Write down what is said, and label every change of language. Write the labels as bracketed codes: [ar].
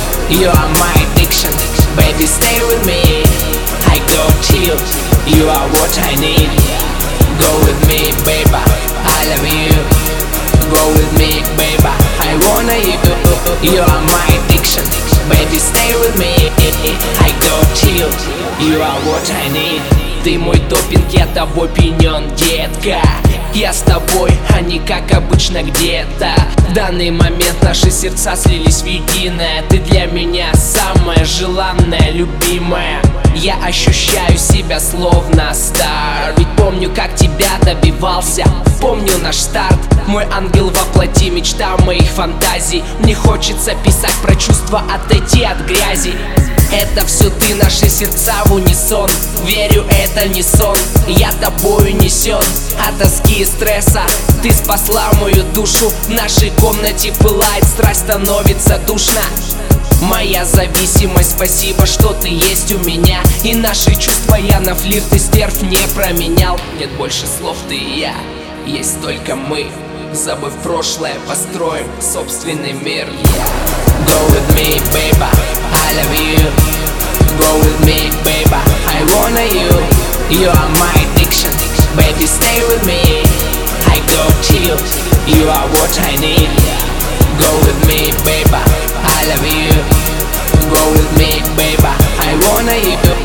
[en] You are my addiction, baby, stay with me. I go to you, you are what I need. Go with me, baby, I love you. Go with me, baby, I wanna you. You are my addiction, baby, stay with me. I go to you, you are what I need. [ru] Ты мой топинг, я тобой пьянён, детка. Я с тобой, а не как обычно где-то. В данный момент наши сердца слились в единое. Ты для меня самая желанная, любимая. Я ощущаю себя словно стар. Ведь помню, как тебя добивался. Помню наш старт. Мой ангел воплоти, мечта моих фантазий. Мне хочется писать про чувства, отойти от грязи. Это все ты, наши сердца в унисон. Верю, это не сон. Я тобой унесен от тоски и стресса. Ты спасла мою душу. В нашей комнате пылает страсть, становится душно. Моя зависимость, спасибо, что ты есть у меня. И наши чувства я на флирт и стерв не променял. Нет больше слов, ты и я, есть только мы. Забыв прошлое, построим собственный мир. [en] Go with me, baby, I love you. Go with me, baby, I wanna you. You are my addiction, baby, stay with me. I go to you, you are what I need. Go with me, baby, I love you. Go with me, baby, I wanna you.